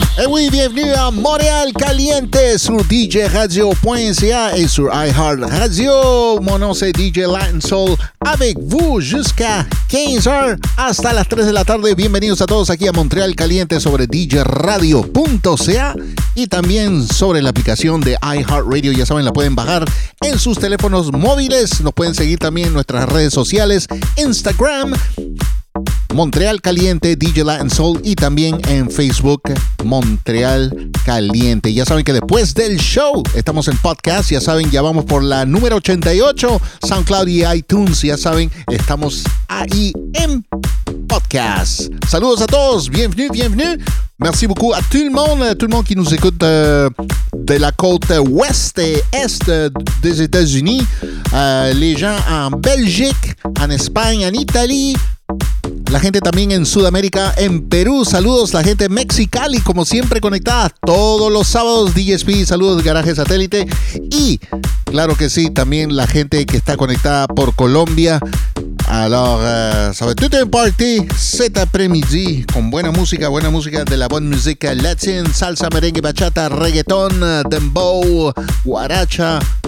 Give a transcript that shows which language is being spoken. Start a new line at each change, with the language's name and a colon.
French: Oui, bienvenue à Montréal Caliente sur DJRadio.ca et sur iHeart Radio. Mon nom c'est DJ Latin Soul avec vous jusqu'à 15h
Spanish: hasta las 3 de la tarde. Bienvenidos a todos aquí a Montréal Caliente sobre DJRadio.ca y también sobre la aplicación de iHeart Radio. Ya saben, la pueden bajar en sus teléfonos móviles. Nos pueden seguir también en nuestras redes sociales, Instagram, Montreal Caliente, DJ Latin Soul, y también en Facebook, Montreal Caliente. Ya saben que después del show estamos en podcast, ya saben, ya vamos por la número 88, SoundCloud y iTunes, ya saben, estamos ahí en podcast. Saludos a todos,
French: bienvenue, bienvenue. Merci beaucoup à tout le monde qui nous écoute de la côte ouest et est des États-Unis, les gens en Belgique, en Espagne, en Italie.
Spanish: La gente también en Sudamérica, en Perú. Saludos la gente Mexicali, como siempre conectada todos los sábados. DJSP, saludos Garaje Satélite. Y claro que sí, también la gente que está conectada por Colombia.
French: Alors, sobre tout un party, cet après-midi,
Spanish: con buena música
French: de la bonne musique latine, salsa, merengue, bachata, reggaeton, dembow, guaracha.